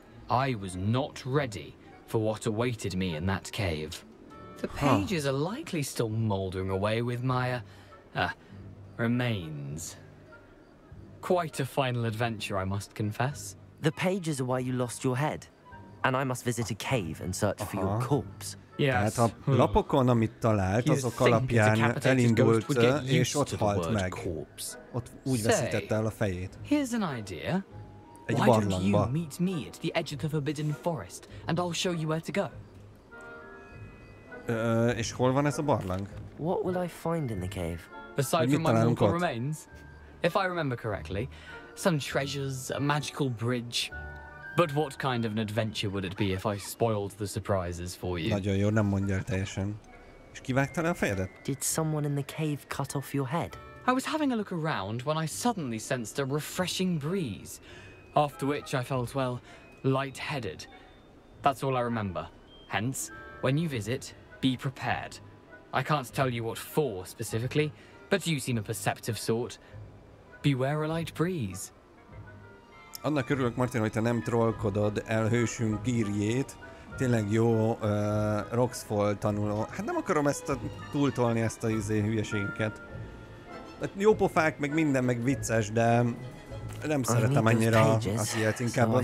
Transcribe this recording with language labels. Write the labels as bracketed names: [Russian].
[English] I was not ready for what awaited me in that cave. The pages are likely still moldering away with my, remains. Quite a final adventure, I must confess. The pages are why you lost your head. And I must visit a cave and search for your corpse. Yes. [Hungarian] Tehát a lapokon, amit talált, azok alapján elindult, és ott halt meg. Ott úgy veszítette el a fejét. [English] Here's an idea. [Hungarian] Egy barlangba. [English] Why don't you meet me at the edge of the forbidden forest, and I'll show you where to go. [Hungarian] És hol van ez a barlang? [English] What will I find in the cave? Aside from my mortal remains, if I remember correctly, some treasures, a magical bridge. But what kind of an adventure would it be if I spoiled the surprises for you? [Hungarian] Nagyon jó, nem mondja teljesen. És kivágta le a fejedet? [English] Did someone in the cave cut off your head? I was having a look around when I suddenly sensed a refreshing breeze. After which I felt, well, light-headed. That's all I remember. Hence, when you visit, be prepared. I can't tell you what for specifically, but you seem a perceptive sort. Beware a light breeze. [Hungarian] Annak örülök, Martin, hogy te nem trollkodod el hősünk gírjét. Tényleg jó Roxfall tanuló. Hát nem akarom ezt a, túltolni ezt a izé hülyeségünket. Hát jó pofák, meg minden, meg vicces, de nem szeretem annyira az ilyet, inkább